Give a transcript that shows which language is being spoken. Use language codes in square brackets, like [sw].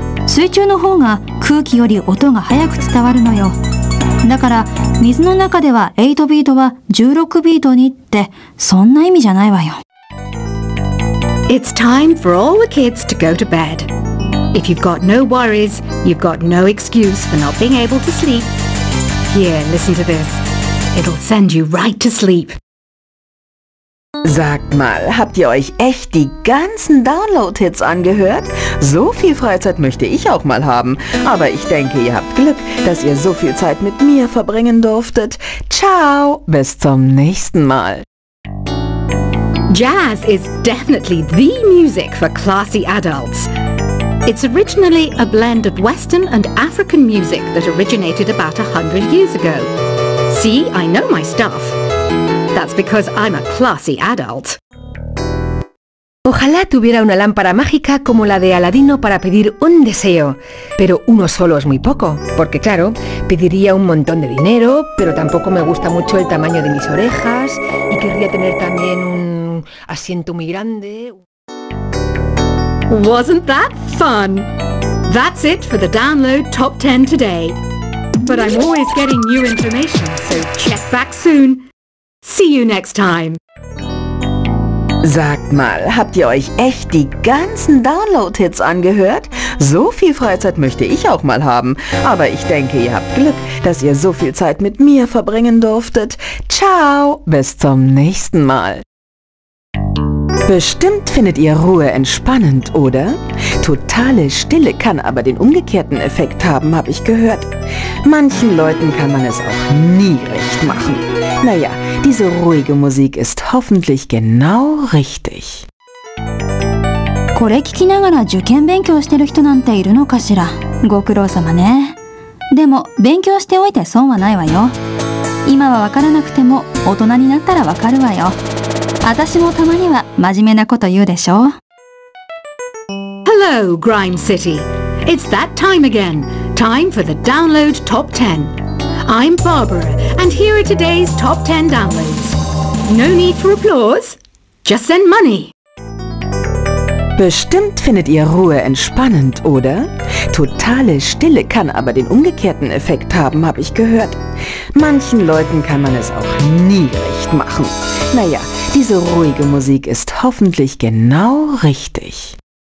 [ja] 水中の方が空気より音が早く伝わるのよ。だから水の中では8ビートは16ビートにって、そんな意味じゃないわよ。 [en] It's time for all the kids to go to bed. If you've got no worries, you've got no excuse for not being able to sleep. Here, listen to this. It'll send you right to sleep. [de] Sagt mal, habt ihr euch echt die ganzen Download-Hits angehört? So viel Freizeit möchte ich auch mal haben. Aber ich denke, ihr habt Glück, dass ihr so viel Zeit mit mir verbringen durftet. Ciao, bis zum nächsten Mal. [en] Jazz is definitely the music for classy adults. It's originally a blend of Western and African music that originated about 100 years ago. See, I know my stuff. That's because I'm a classy adult. [es] Ojalá tuviera una lámpara mágica como la de Aladino para pedir un deseo. Pero uno solo es muy poco, porque claro, pediría un montón de dinero, pero tampoco me gusta mucho el tamaño de mis orejas y querría tener también un asiento muy grande. [en] Wasn't that fun? That's it for the download top 10 today. But I'm always getting new information, so check back soon. See you next time. [de] Sagt mal, habt ihr euch echt die ganzen Download-Hits angehört? So viel Freizeit möchte ich auch mal haben. Aber ich denke, ihr habt Glück, dass ihr so viel Zeit mit mir verbringen durftet. Ciao, bis zum nächsten Mal. Bestimmt findet ihr Ruhe entspannend, oder? Totale Stille kann aber den umgekehrten Effekt haben, habe ich gehört. Manchen Leuten kann man es auch nie recht machen. Naja, diese ruhige Musik ist hoffentlich genau richtig. [ja] これ聞きながら受験勉強してる人なんているのかしら。ご苦労様ね。でも勉強しておいて損はないわよ。今はわからなくても大人になったらわかるわよ。私もたまには真面目なこと言うでしょ。 [en] Hello, Grime City. It's that time again. Time for the download top 10. I'm Barbara, and here are today's top 10 downloads. No need for applause. Just send money. [de] Bestimmt findet ihr Ruhe entspannend, oder? Totale Stille kann aber den umgekehrten Effekt haben, habe ich gehört. Manchen Leuten kann man es auch nie recht machen. Naja, diese ruhige Musik ist hoffentlich genau richtig.